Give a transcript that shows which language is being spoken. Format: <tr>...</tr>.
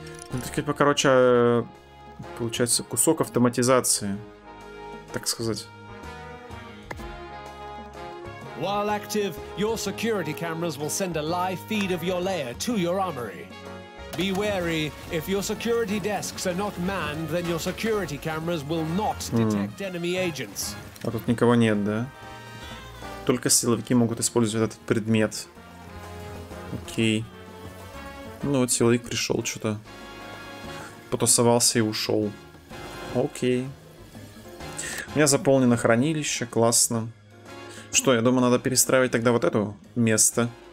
<ru>Ну так типа, короче, получается кусок автоматизации, так сказать.</ru> <en>While active, your security cameras will send a live feed of your lair to your armory. Be wary, if your security desks are not manned, then your security cameras will not detect enemy agents.</en> <ru>А тут никого нет, да? Только силовики могут использовать этот предмет. Окей. Ну вот силовик пришел, что-то потусовался и ушел. Окей. У меня заполнено хранилище, классно. Что, я думаю, надо перестраивать тогда вот это место.</ru>